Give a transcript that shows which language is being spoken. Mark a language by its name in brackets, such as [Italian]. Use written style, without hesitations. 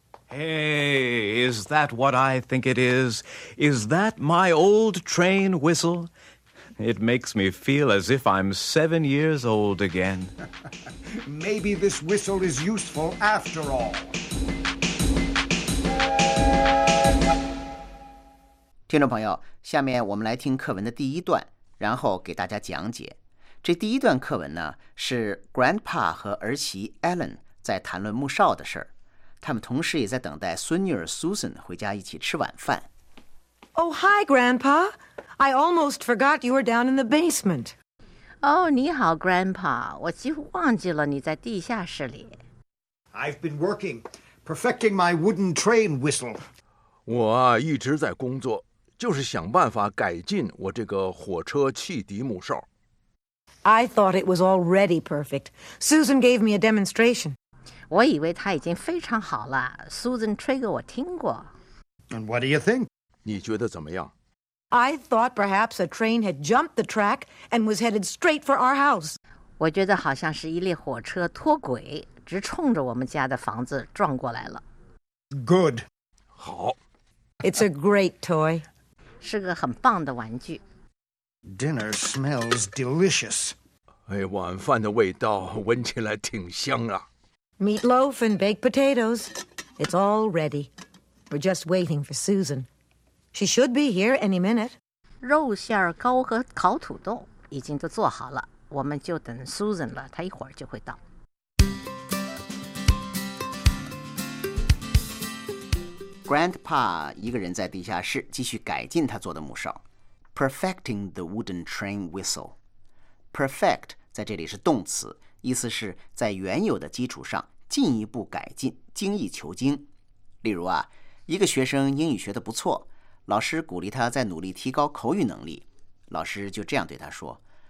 [English] Hey, is that what I think it is? Is that my old train whistle? It makes me feel as if I'm 7 years old again. Maybe this whistle is useful after all. [Chinese] 听众朋友，下面我们来听课文的第一段，然后给大家讲解。这第一段课文呢，是 Grandpa 和儿媳 Ellen 在谈论穆少的事儿。他们同时也在等待孙女儿 Susan 回家一起吃晚饭。 [English] Oh, hi, Grandpa. I almost forgot you were down in the basement. [Chinese] Oh, 你好 Grandpa. 我几乎忘记了你在地下室里。 [English] I've been working, perfecting my wooden train whistle. [Chinese] 我啊一直在工作，就是想办法改进我这个火车汽笛木哨。 [English] I thought it was already perfect. Susan gave me a demonstration. [Chinese] 我以为它已经非常好了。Susan 吹给我听过。 [English] And what do you think? [Chinese] 你觉得怎么样？ [English] I thought perhaps a train had jumped the track and was headed straight for our house. [Chinese] 我觉得好像是一列火车脱轨，直冲着我们家的房子撞过来了。 [English] Good. [Chinese] 好 [English] It's a great toy. [Chinese] 是个很棒的玩具。 [English] Dinner smells delicious. [Chinese] 哎，晚饭的味道闻起来挺香啊。 [English] Meatloaf and baked potatoes. It's all ready. We're just waiting for Susan. She should be here any minute. [Chinese] 肉馅儿糕和烤土豆已经都做好了，我们就等 Susan 了，她一会儿就会到。 Grandpa 一个人在地下室继续改进他做的木哨 [English] Perfecting the wooden train whistle [Chinese] Perfect 在这里是动词意思是在原有的基础上进一步改进精益求精例如啊一个学生英语学得不错老师鼓励他在努力提高口语能力老师就这样对他说